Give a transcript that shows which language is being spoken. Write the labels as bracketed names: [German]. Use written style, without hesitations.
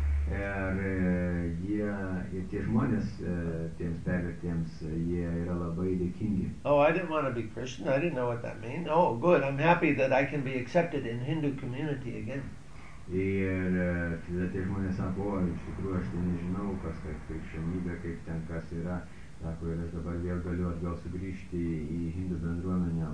[Lithuanian] Ir tie žmonės, tiems pervertiems, jie yra labai dėkingi. [English] Oh, I didn't want to be Christian. I didn't know what that means. Oh, good. I'm happy that I can be accepted in Hindu community again. [Lithuanian] Ir tada tie žmonės sako, o, iš tikrųjų, aš tai nežinau, kas kaip krikščionybė, kaip ten kas yra. Sako, ir aš dabar vėl galiu atgal sugrįžti į Hindu bendruomenę.